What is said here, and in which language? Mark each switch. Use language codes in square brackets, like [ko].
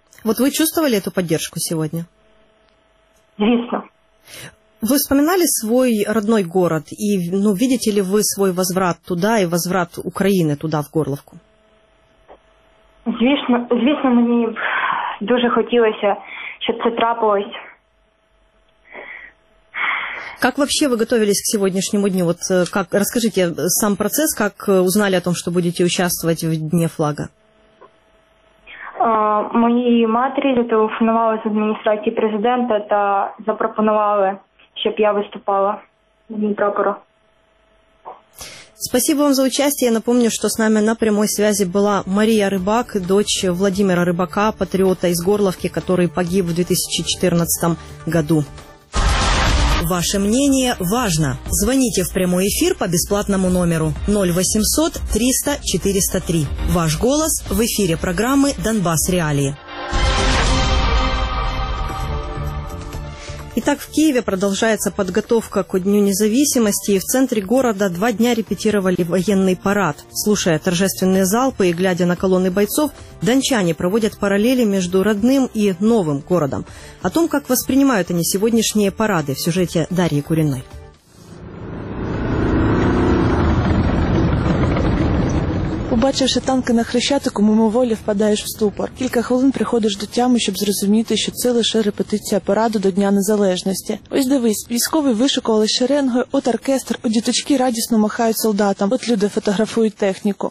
[uk] От ви чувствовали цю підтримку сьогодні? Звісно. [ru] Вы вспоминали свой родной город, и ну, видите ли вы свой возврат туда и возврат Украины туда, в Горловку? [uk] Звісно, мені б дуже хотілося, щоб це трапилось. [ru] Как вообще вы готовились к сегодняшнему дню? Вот как, расскажите сам процесс, как узнали о том, что будете участвовать в Дне флага? [uk] Моїй матері зателефонували з адміністрації президента та запропонували, [ru] чтобы я выступала [uk] в Дні прапора. [ru] Спасибо вам за участие. Я напомню, что с нами на прямой связи была Мария Рыбак, дочь Владимира Рыбака, патриота из Горловки, который погиб в 2014 году. Ваше мнение важно. Звоните в прямой эфир по бесплатному номеру 0800 300 403. Ваш голос в эфире программы «Донбасс Реалии». Итак, в Киеве продолжается подготовка ко Дню независимости, и в центре города два дня репетировали военный парад. Слушая торжественные залпы и глядя на колонны бойцов, донечане проводят параллели между родным и новым городом. О том, как воспринимают они сегодняшние парады, в сюжете Дарьи Куриной. [uk] Побачивши танки на Хрещатику, мимоволі впадаєш в ступор. Кілька хвилин приходиш до тями, щоб зрозуміти, що це лише репетиція параду до Дня Незалежності. Ось дивись, військові вишикували шеренгою, от оркестр, от діточки радісно махають солдатам, от люди фотографують техніку.